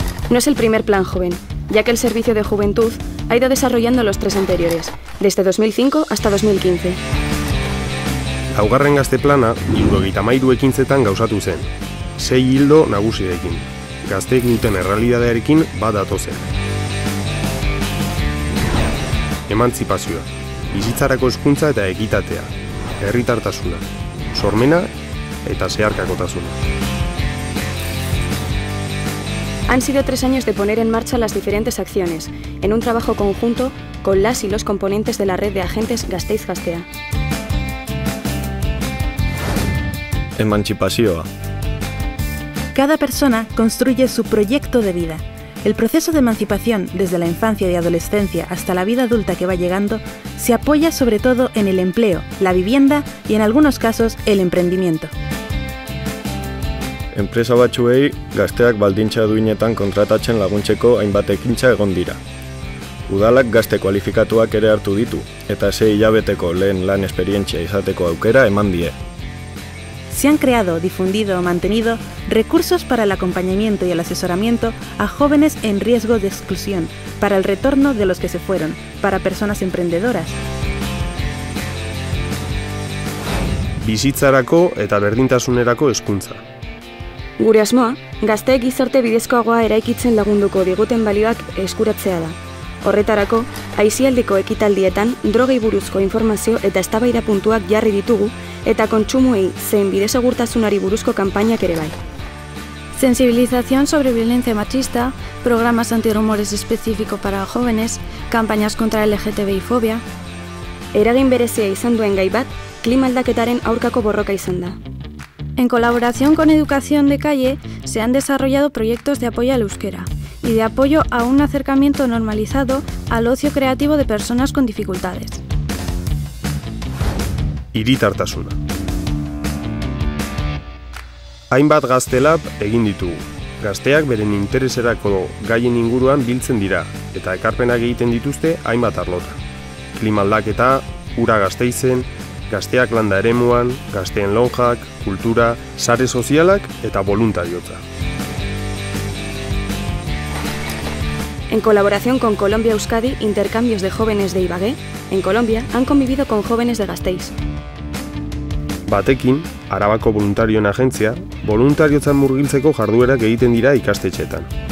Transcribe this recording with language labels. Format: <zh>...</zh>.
<es>No es el primer plan joven, ya que el Servicio de Juventud ha ido desarrollando los tres anteriores, desde 2005 hasta 2015.</es> <eu>Laugarren gazte plana, 2013 ekintzetan gauzatu zen, sei hildo nagusirekin, gazteek duten errealitatearekin bat datozen. Emantzipazioa, bizitzarako hezkuntza eta ekitatea, herritartasuna, sormena eta zeharkakotasuna.</eu> <es>Han sido tres años de poner en marcha las diferentes acciones, en un trabajo conjunto con las y los componentes de la red de agentes Gasteiz Gaztea. Emancipación. Cada persona construye su proyecto de vida. El proceso de emancipación, desde la infancia y adolescencia hasta la vida adulta que va llegando, se apoya sobre todo en el empleo, la vivienda y, en algunos casos, el emprendimiento.</es> <eu>Enpresa batzuei, gazteak baldintza duinetan kontratatzen laguntzeko hainbat ekintza egon dira. Udalak gazte kualifikatuak ere hartu ditu, eta sei hilabeteko lehen lan esperientzia izateko aukera eman die.</eu> <es>Se han creado, difundido o mantenido recursos para el acompañamiento y el asesoramiento a jóvenes en riesgo de exclusión, para el retorno de los que se fueron, para personas emprendedoras.</es> <eu>Bizitzarako eta berdintasunerako hezkuntza. Gure asmoa, gazteek gizarte bidezkoagoa eraikitzen lagunduko diguten balioak eskuratzea da. Horretarako, aisialdiko ekitaldietan drogei buruzko informazio eta eztabaida puntuak jarri ditugu eta kontsumuei zein bidezegurtasunari buruzko kanpainak ere bai.</eu> <es>Sensibilización sobre violencia machista, programas antirrumores específico para jóvenes, campañas contra LGTBI-fobia...</es> <eu>Eragin berezia izan duen gai bat, klima aldaketaren aurkako borroka izan da.</eu> <es>En colaboración con Educación de Calle, se han desarrollado proyectos de apoyo al euskera y de apoyo a un acercamiento normalizado al ocio creativo de personas con dificultades.</es> <eu>Hiritartasuna. Hainbat gaztelab egin ditugu. Gazteak beren intereserako gaien inguruan biltzen dira eta ekarpenak egiten dituzte hainbat arlota. Klimaldaketa, ura Gasteizen, gazteak landa eremuan, gazteen lonjak, kultura, sare sozialak eta voluntariotza.</eu> <es>En colaboración con Colombia Euskadi, intercambios de jóvenes de Ibagué, en Colombia han convivido con jóvenes de Gasteiz.</es> <eu>Batekin, Arabako Voluntarioen Agentzia, voluntariotzan murgiltzeko jarduerak egiten dira ikastetxeetan.</eu>